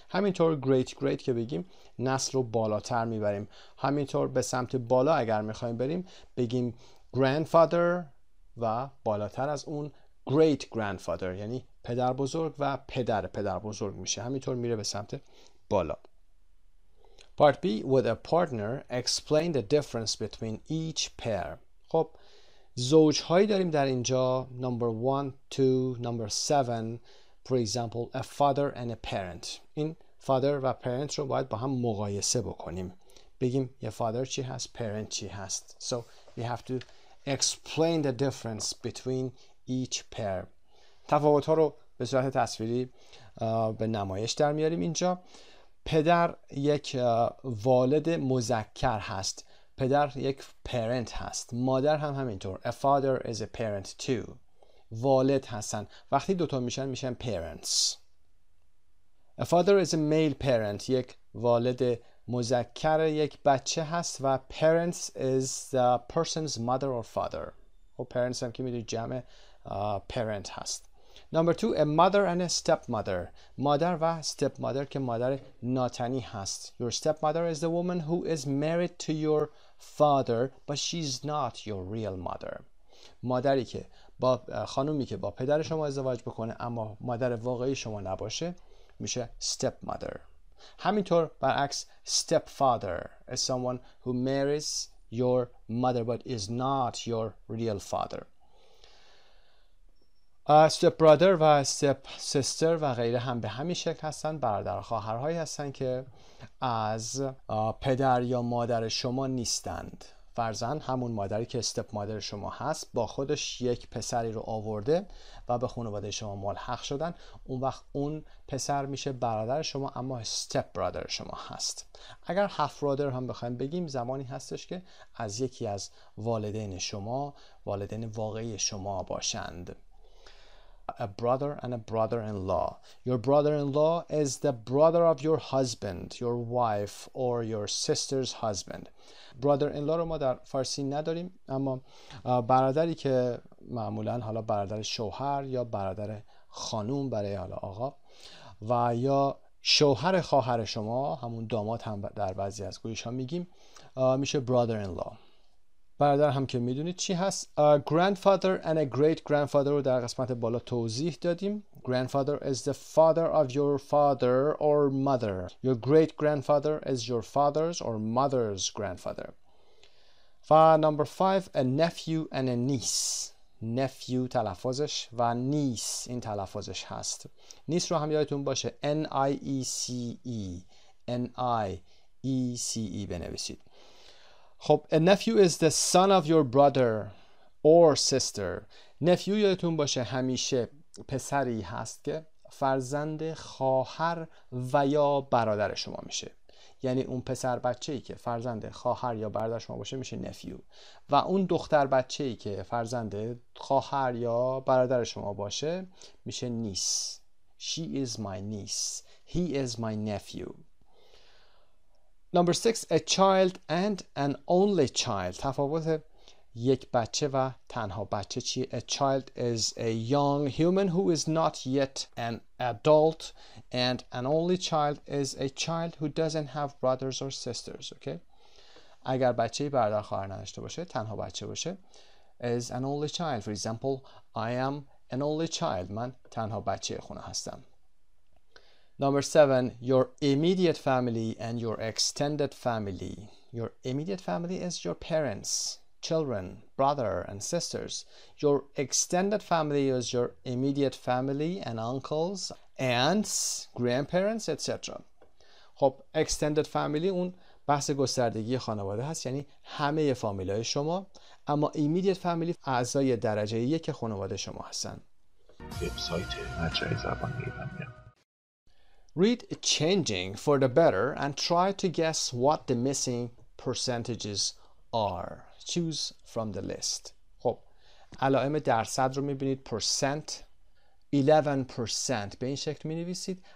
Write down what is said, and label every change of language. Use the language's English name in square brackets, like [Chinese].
[Persian] همینطور [English] great great [Persian] که بگیم نسل رو بالاتر میبریم. همینطور به سمت بالا اگر میخواییم بریم بگیم grandfather و بالاتر از اون great grandfather، یعنی پدر بزرگ و پدر پدر بزرگ میشه. همینطور میره به سمت بالا. [English] Part B, with a partner, explain the difference between each pair. [Persian] خب زوج هایی داریم در اینجا. [English] Number 1, 2, number 7. For example, a father and a parent. [Persian] این father و parent رو باید با هم مقایسه بکنیم. بگیم یه father چی هست، parent چی هست. [English] So we have to explain the difference between each pair. [Persian] تفاوت‌ها رو به صورت تصویری به نمایش در میاریم اینجا. پدر یک والد مذکر هست. پدر یک parent هست. مادر هم همینطور. [English] A father is a parent too. [Persian] والد هستن. وقتی دوتا میشن میشن parents. [English] A father is a male parent. [Persian] یک والد مذکر یک بچه هست [English] و parents is the person's mother or father. [Persian] و parents هم که میدونی جمع parent هست. [English] Number two, a mother and a stepmother. [Persian] مادر و stepmother که مادر ناتنی هست. [English] Your stepmother is the woman who is married to your father, but she's not your real mother. [Persian] مادری که با خانومی که با پدر شما ازدواج بکنه اما مادر واقعی شما نباشه میشه stepmother. همینطور برعکس [English] stepfather is someone who marries your mother but is not your real father. [Persian] Step brother و step sister و غیره هم به همین شکل هستن، برادر خواهرهایی هستن که از پدر یا مادر شما نیستند. فرزند همون مادری که step mother شما هست با خودش یک پسری رو آورده و به خانواده شما ملحق شدن، اون وقت اون پسر میشه برادر شما اما step brother شما هست. اگر half brother هم بخوایم بگیم، زمانی هستش که از یکی از والدین شما والدین واقعی شما باشند. [English] A brother and a brother-in-law. Your brother-in-law is the brother of your husband, your wife, or your sister's husband. [Persian] Brother-in-law رو ما در فارسی نداریم، اما برادری که معمولاً حالا برادر شوهر یا برادر خانوم برای حالا آقا و یا شوهر خواهر شما، همون داماد هم در بعضی از گویش‌ها میگیم، میشه brother-in-law. برادر هم که میدونید چی هست. [English] Grandfather and a great grandfather [Persian] رو در قسمت بالا توضیح دادیم. [English] Grandfather is the father of your father or mother. Your great grandfather is your father's or mother's grandfather. و number 5, a nephew and a niece. [Persian] Nephew تلفظش و niece این تلفظش هست. Niece رو هم یادتون باشه N-I-E-C-E N-I-E-C-E بنویسید. [English] خب a nephew is the son of your brother or sister. [Persian] Nephew یادتون باشه همیشه پسری هست که فرزند خواهر و یا برادر شما میشه، یعنی اون پسر بچه‌ای که فرزند خواهر یا برادر شما باشه میشه nephew، و اون دختر بچه‌ای که فرزند خواهر یا برادر شما باشه میشه niece. [English] She is my niece. He is my nephew. Number 6, a child and an only child. [Persian] تفاوت یک بچه و تنها بچه چیه؟ [English] A child is a young human who is not yet an adult, and an only child is a child who doesn't have brothers or sisters. Okay? [Persian] اگر بچه برادر خواهر نداشته باشه، تنها بچه باشه، [English] is an only child. For example, I am an only child. [Persian] من تنها بچه خونه هستم. [English] Number 7, your immediate family and your extended family. Your immediate family is your parents, children, brother and sisters. Your extended family is your immediate family and uncles, aunts, grandparents, etc. [Persian] خب extended family اون بحث گستردگی خانواده هست، یعنی همه فامیلای شما، اما immediate family اعضای درجه یک خانواده شما هستن. وبسایت مجله زبان ایرانی. [English] Read changing for the better and try to guess what the missing percentages are. Choose from the list. [Persian] خب علائم درصد رو میبینید، percent 11% به این شکل مینویسید.